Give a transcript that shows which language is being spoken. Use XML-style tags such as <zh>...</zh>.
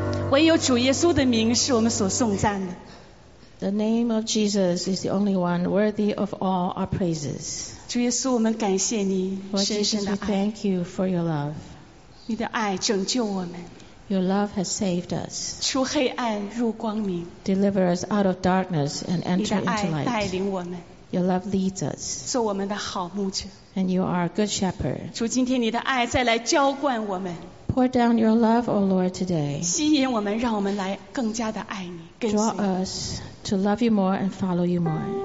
<zh>唯有主耶稣的名是我们所颂赞的。</zh> <en>The name of Jesus is the only one worthy of all our praises.</en> <zh>主耶稣，我们感谢你深深的爱。</zh> <en>We thank you for your love.</en> <zh>你的爱拯救我们。</zh> <en>Your love has saved us.</en> <zh>出黑暗入光明。</zh> <en>Deliver us out of darkness and enter into light.</en> <zh>你的爱带领我们。</zh> <en>Your love leads us.</en> <zh>做我们的好牧者。</zh> <en>And you are a good shepherd.</en> <zh>主，今天你的爱再来浇灌我们。</zh> <en>Pour down your love, O Lord, today.</en> <zh>吸引我们，让我们来更加的爱你，跟随。</zh> <en>Draw us to love you more and follow you more.</en>